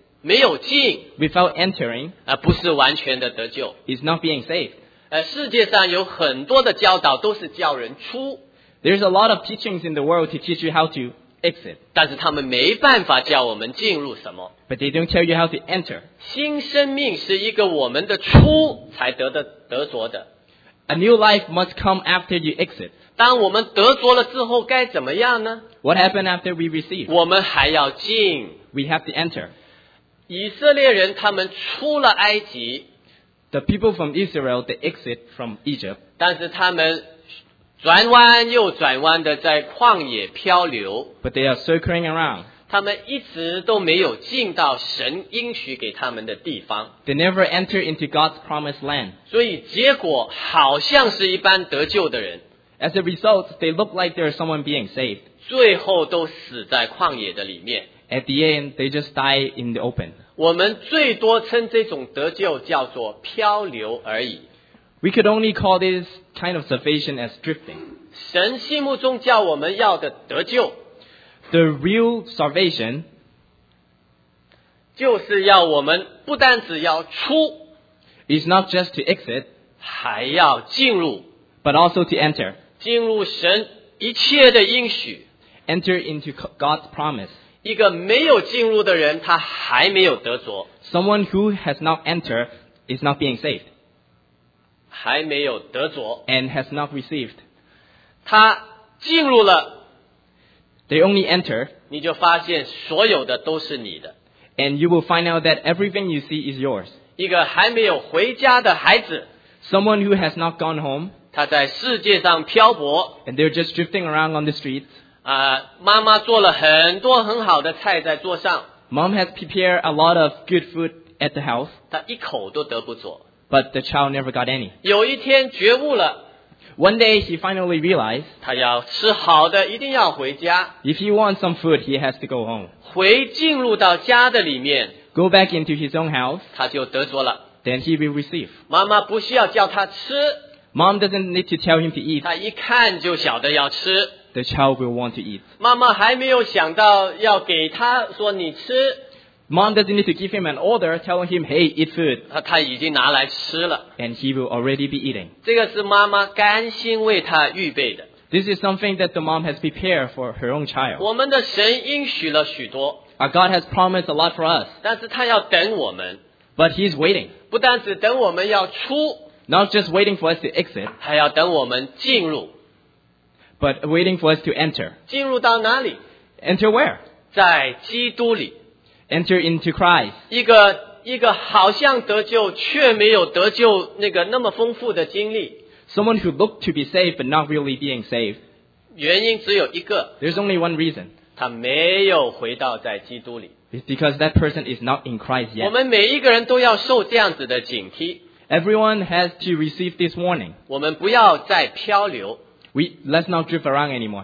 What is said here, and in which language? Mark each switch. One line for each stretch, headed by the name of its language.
Chinese: 没有进。
English: Without entering.
Chinese: 不是完全的得救。
English: Is not being saved.
Chinese: 世界上有很多的教导都是叫人出。
English: There's a lot of teachings in the world to teach you how to... Exit.
Chinese: 但是他们没办法叫我们进入什么。
English: But they don't tell you how to enter.
Chinese: 新生命是一个我们的出才得着的。
English: A new life must come after you exit.
Chinese: 当我们得着了之后该怎么样呢？
English: What happened after we received?
Chinese: 我们还要进。
English: We have to enter.
Chinese: 以色列人他们出了埃及。
English: The people from Israel, they exit from Egypt.
Chinese: 但是他们转弯又转弯的在旷野漂流
English: But they are circling around.
Chinese: 他们一直都没有进到神应许给他们的地方
English: They never enter into God's promised land.
Chinese: 所以结果好像是一般得救的人
English: As a result, they look like they are someone being saved.
Chinese: 最后都死在旷野的里面
English: At the end, they just die in the open.
Chinese: 我们最多称这种得救叫做漂流而已
English: We could only call this kind of salvation as drifting.
Chinese: 神心目中叫我们要的得救
English: The real salvation
Chinese: 就是要我们不单只要出
English: It's not just to exit
Chinese: 还要进入
English: But also to enter
Chinese: 进入神一切的应许
English: Enter into God's promise
Chinese: 一个没有进入的人他还没有得着
English: Someone who has not entered is not being saved
Chinese: 还没有得着
English: and has not received
Chinese: 他进入了
English: they only enter
Chinese: 你就发现所有的都是你的
English: and you will find out that everything you see is yours
Chinese: 一个还没有回家的孩子
English: someone who has not gone home
Chinese: 他在世界上漂泊
English: and they're just drifting around on the streets
Chinese: 妈妈做了很多很好的菜在桌上
English: mom has prepared a lot of good food at the house
Chinese: 他一口都得不着
English: But the child never got any.
Chinese: 有一天觉悟了。
English: One day he finally realized.
Chinese: 他要吃好的，一定要回家。
English: If he wants some food, he has to go home.
Chinese: 回进入到家的里面。
English: Go back into his own house.
Chinese: 他就得着了。
English: Then he will receive.
Chinese: 妈妈不需要叫他吃。
English: Mom doesn't need to tell him to eat.
Chinese: 他一看就晓得要吃。
English: The child will want to eat.
Chinese: 妈妈还没有想到要给他说你吃。
English: Mom doesn't need to give him an order, tell him, hey, eat food.
Chinese: 他已经拿来吃了。
English: And he will already be eating.
Chinese: 这个是妈妈甘心为他预备的。
English: This is something that the mom has prepared for her own child.
Chinese: 我们的神应许了许多。
English: Our God has promised a lot for us.
Chinese: 但是他要等我们。
English: But he's waiting.
Chinese: 不单只等我们要出。
English: Not just waiting for us to exit.
Chinese: 还要等我们进入。
English: But waiting for us to enter.
Chinese: 进入到哪里？
English: Enter where?
Chinese: 在基督里。
English: Enter into Christ.
Chinese: 一个好像得救却没有得救那个那么丰富的经历。
English: Someone who looked to be saved but not really being saved.
Chinese: 原因只有一个。
English: There's only one reason.
Chinese: 他没有回到在基督里。
English: It's because that person is not in Christ yet.
Chinese: 我们每一个人都要受这样子的警惕。
English: Everyone has to receive this warning.
Chinese: 我们不要再漂流。
English: Let's not drift around anymore.